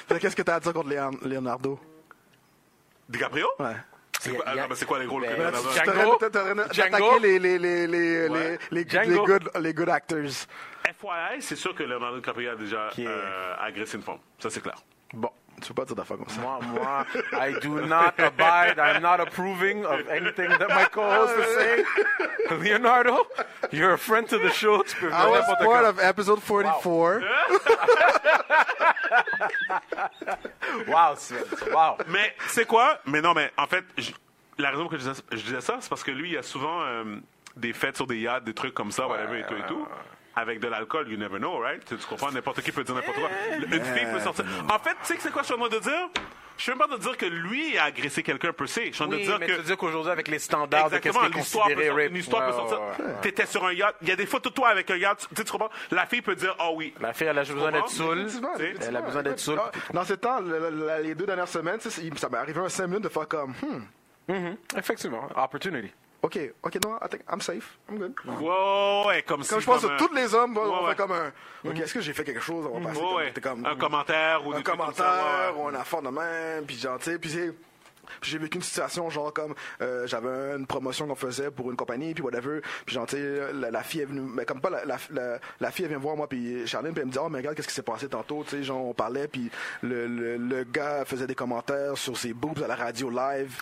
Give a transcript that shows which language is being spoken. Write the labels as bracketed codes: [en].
[fr] Qu'est-ce que t'as à dire contre Leonardo? DiCaprio? Ouais. C'est quoi les rôles que Leonardo a? Django? Django? Les [en] good actors. [fr] FYI, c'est sûr que Leonardo DiCaprio a déjà agressé une femme. Ça, c'est clair. Bon. Tu peux pas dire d'affaires comme ça. Moi, [en] I do not abide, I'm not approving of anything that my co-host is saying. Leonardo, you're a friend to the show. [fr] Tu peux [en] I was part of episode 44. Wow. [fr] Wow, c'est... Wow. Mais c'est quoi? Mais non, mais en fait, la raison pour laquelle je disais ça, c'est parce que lui, il y a souvent des fêtes sur des yachts, des trucs comme ça, ouais, whatever, et tout, et tout. Avec de l'alcool, [en] you never know, right? [fr] Tu comprends? N'importe qui peut dire n'importe quoi. Une fille peut sortir. En fait, tu sais que c'est quoi je suis en train de dire? Je suis même pas en train de dire que lui a agressé quelqu'un, per se. Je suis en train de dire que... Oui, mais tu dis qu'aujourd'hui, avec les standards exactement, de qu'est-ce qui est considéré rape... Une histoire peut sortir. Ouais. T'étais sur un yacht. Il y a des photos de toi avec un yacht. Tu comprends? La fille peut dire, oh oui. La fille, elle a besoin d'être saoule. Elle a besoin d'être saoule. Dans ces temps, les deux dernières semaines, ça m'est arrivé un 5 minutes de faire comme... Effectivement. Opportunity. Ok, non, [en] I think I'm safe, I'm good. [fr] Wow, et comme quand si je pense à tous les hommes, on fait comme un. Ok, est-ce que j'ai fait quelque chose? On va passer comme un commentaire ou un commentaire ou un affaire de même, puis gentil, puis c'est. Puis j'ai vécu une situation genre comme j'avais une promotion qu'on faisait pour une compagnie puis whatever puis genre tu sais la fille est venue mais comme pas la fille vient voir moi puis Charline puis elle me dit oh mais regarde qu'est-ce qui s'est passé tantôt tu sais genre on parlait puis le gars faisait des commentaires sur ses boobs à la radio live.